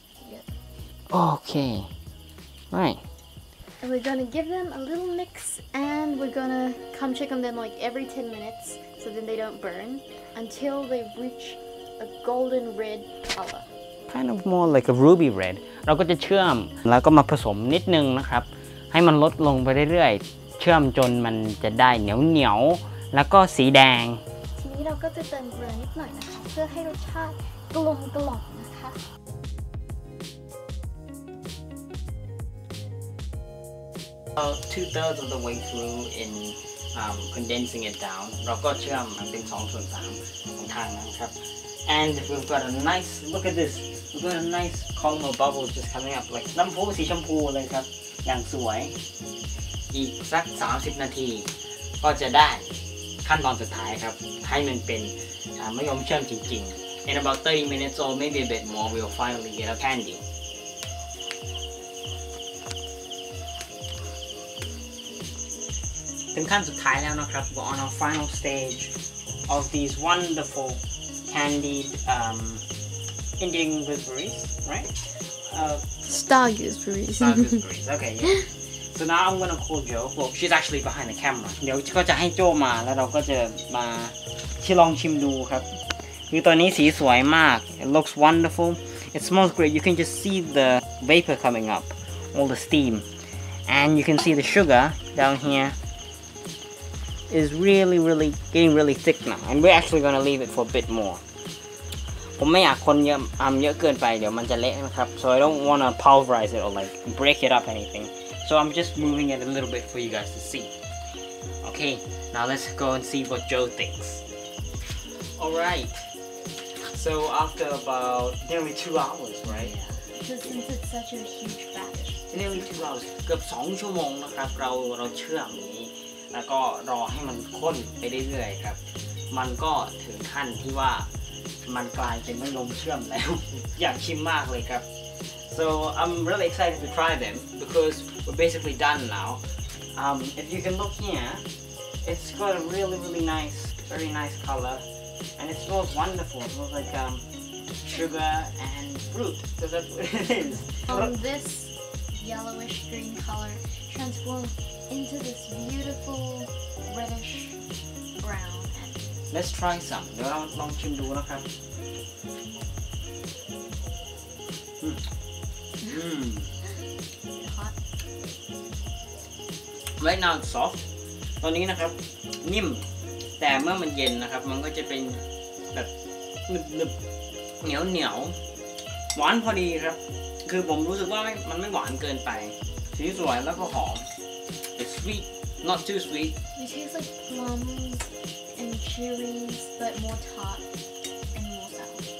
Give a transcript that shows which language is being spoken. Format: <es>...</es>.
<en>Yep. Okay. Right. And we're gonna give them a little mix and we're gonna come check on them like every 10 minutes so then they don't burn until they reach a golden red color. Kind of more like a ruby red.</en> <th>เราก็จะเชื่อมแล้วก็มาผสมนิดนึงนะครับให้มันลดลงไปเรื่อยๆเชื่อมจนมันจะได้เหนียวเหนียวแล้วก็สีแดง ทีนี้เราก็จะเติมเกลือนิดหน่อยนะคะเพื่อให้รสชาติกลมกล่อมนะคะ</th> <en>About two-thirds of the way through in condensing it down.</en> <th>เราก็เชื่อมมันเป็น2ส่วน3ของทางนะครับ</th> <en>And we've got a nice, look at this. We've got a nice column of bubbles just coming up.</en> <th>Like น้ำพุสีชมพูเลยครับอย่างสวยอีกสัก30นาทีก็จะได้ขั้นตอนสุดท้ายครับให้มันเป็นมะยมเชื่อมจริงๆ</th> <en>In about 30 minutes or maybe a bit more, we'll finally get a candy</en> <th>ถึงขั้นสุดท้ายแล้วนะครับ</th> <en>We're on our final stage of these wonderful candied Indian gooseberries, right? Star gooseberries. Star gooseberries. Okay. Yeah. So now I'm gonna call Jo. Well, she's actually behind the camera.</en> <th>เดี๋ยวก็จะให้โจมาแล้วเราก็จะมาทดลองชิมดูครับคือตอนนี้สีสวยมาก</th> <en>It looks wonderful. It smells great. You can just see the vapor coming up, all the steam, and you can see the sugar down here. Is really, really getting really thick now, and we're actually gonna leave it for a bit more.</en> <th>ผมไม่อยากคนเยอะเยอะเกินไปเดี๋ยวมันจะเละนะครับ</th> <en>so I don't wanna pulverize it or like break it up anything. So I'm just moving it a little bit for you guys to see. Okay, now let's go and see what Joe thinks. All right. So after about nearly 2 hours, right? Yeah. Just since it's such a huge batch. Nearly 2 hours,</en> <th>เกือบ2ชั่วโมงนะครับเราเชื่อมแล้วก็รอให้มันข้นไปเรื่อยๆครับมันก็ถึงขั้นที่ว่า มันกลายเป็นมะยมเชื่อมแล้วอยากชิมมากเลยครับ</th> <en>So I'm really excited to try them because we're basically done now. If you can look here, it's got a really really nice, very nice color, and it smells wonderful. It smells like sugar and fruit. So that's what it is. This yellowish green color transforms into this beautiful reddish brown. Let's try some.</en> <th>เดี๋ยวเราลองชิมดูนะครับ</th> <en>right now it's soft</en> <th>ตอนนี้นะครับนิ่มแต่เมื่อมันเย็นนะครับมันก็จะเป็นแบบหนึบๆเหนียวเหนียวหวานพอดีครับคือผมรู้สึกว่ามันไม่หวานเกินไปสีสวยแล้วก็หอม</th> <en>it's sweet not too sweet it tastes like plumcherries but more tart and more sour</en>